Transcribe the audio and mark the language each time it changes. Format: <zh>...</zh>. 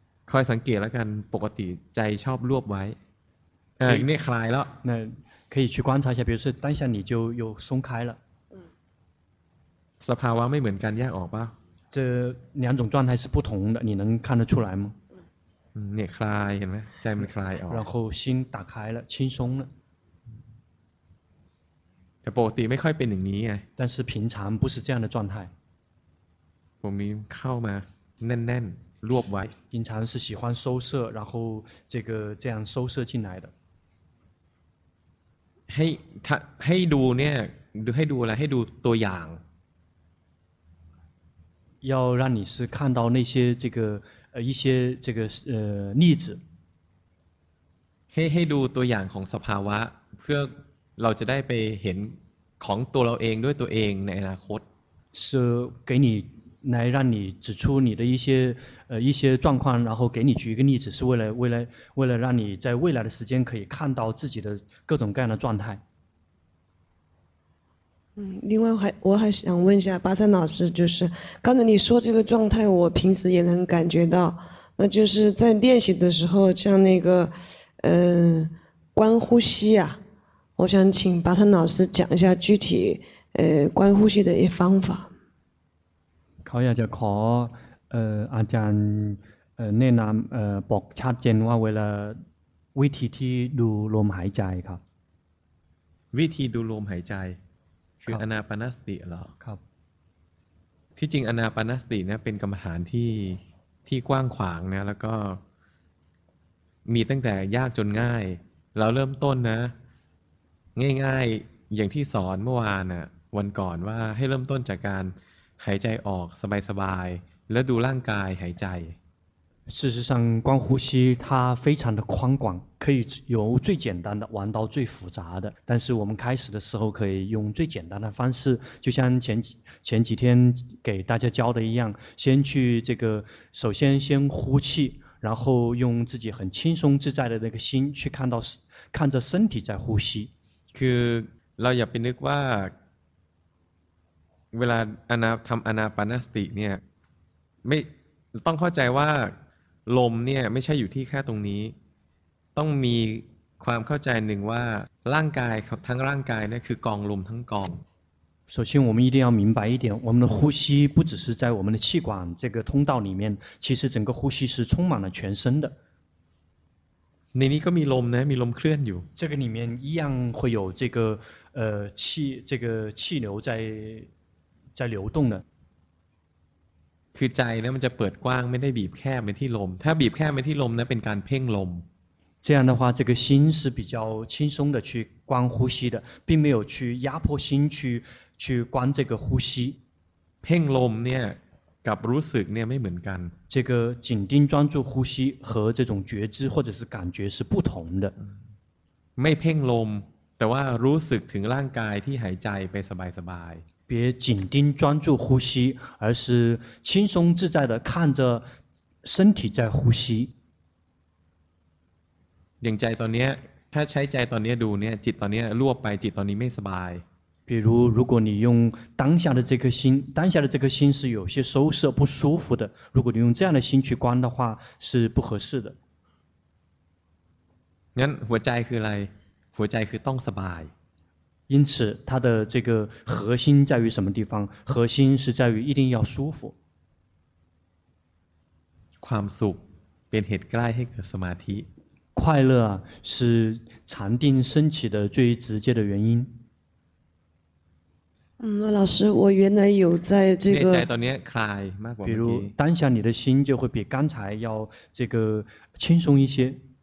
<th>คอยสังเกตแล้วกันปกติใจชอบรวบไว้นี่คลายแล้ว</th> <zh>那可以去观察一下比如说当下你就又松开了</zh> <th>สภาวะไม่เหมือนกันแยกออกป่ะ</th> <zh>这两种状态是不同的你能看得出来吗</zh> <th>เนี่ยคลายเห็นไหมใจมันคลายออก</th> <zh>然后心打开了轻松了</zh> <th>แต่ปกติไม่ค่อยเป็นอย่างนี้ไง</th> <zh>但是平常不是这样的状态</zh> <th>ผมมีเข้ามาแน่นๆรวบไว้</th> <zh>平常是喜欢收摄然后这样收摄进来的</zh> <th>ให้ดูเนี่ยให้ดูอะไรให้ดูตัวอย่าง</th> <zh>要让你是看到那些这个一些这个例子</zh> <th>ให้ดูตัวอย่างของสภาวะเพื่อเราจะได้ไปเห็นของตัวเราเองด้วยตัวเองในอนาคต</th> <zh>是给你来让你指出你的一些状况然后给你举一个例子是为了让你在未来的时间可以看到自己的各种各样的状态另外我还想问一下巴山老师就是刚才你说这个状态我平时也能感觉到那就是在练习的时候像那个观呼吸啊我想请巴山老师讲一下具体观呼吸的一方法</zh> <th>เขาอยากจะขออาจารย์แนะนำบอกชัดเจนว่าเวลาวิธีที่ดูลมหายใจครับ วิธีดูลมหายใจคืออานาปานสติเหรอ ครับ ที่จริงอานาปานสติเนี่ยเป็นกรรมฐานที่กว้างขวางนะแล้วก็มีตั้งแต่ยากจนง่ายเราเริ่มต้นนะง่ายๆอย่างที่สอนเมื่อวานน่ะวันก่อนว่าให้เริ่มต้นจากการหายใจออกสบายๆแล้วดูร่างกายหายใจ</th> <zh>事实上观呼吸它非常的宽广可以由最简单的玩到最复杂的但是我们开始的时候可以用最简单的方式就像前几天给大家教的一样先去这个首先先呼气然后用自己很轻松自在的那个心去看到看着身体在呼吸</zh> <th>คือเราอย่าไปนึกว่าเวลาอานาทำอานาปานสติเนี่ยไม่ต้องเข้าใจว่าลมเนี่ยไม่ใช่อยู่ที่แค่ตรงนี้ต้องมีความเข้าใจหนึ่งว่าร่างกายทั้งร่างกายนี่คือกองลมทั้งกอง</th> <zh>首先我们一定要明白一点我们的呼吸不只是在我们的气管这个通道里面其实整个呼吸是充满了全身的</zh> <th>ในนี้ก็มีลมนะมีลมเคลื่อนอยู่</th> <zh>这个里面一样会有这个气这个气流在流动的</zh> <th>คือใจเนี่ยมันจะเปิดกว้างไม่ได้บีบแคบไปที่ลมถ้าบีบแคบไปที่ลมนะเป็นการเพ่งลม</th> <zh>这样的话这个心是比较轻松的去观呼吸的并没有去压迫心 去, 去观这个呼吸。</zh> <th>เพ่งลมเนี่ยกับรู้สึกเนี่ยไม่เหมือนกัน</th> <zh>这个紧盯专注呼吸和这种觉知或者是感觉是不同的</zh> <th>ไม่เพ่งลมแต่ว่ารู้สึกถึงร่างกายที่หายใจไปสบายสบาย</th> <zh>别紧盯专注呼吸而是轻松自在的看着身体在呼吸</zh> <th>อย่างใจตอนนี้ถ้าใช้ใจตอนนี้ดูเนี่ยจิตตอนนี้รั่วไปจิตตอนนี้ไม่สบาย</th> <zh>比如如果你用当下的这颗心当下的这颗心是有些收摄不舒服的如果你用这样的心去观的话是不合适的</zh> <th>งั้นหัวใจคืออะไรหัวใจคือต้องสบาย</th> <zh>因此它的这个核心在于什么地方核心是在于一定要舒服</zh> <th>ความสุขเป็นเหตุใกล้ให้เกิดสมาธิ</th> <zh>快乐啊是禅定升起的最直接的原因老师我原来有在这个比如当下你的心就会比刚才要这个轻松一些</zh>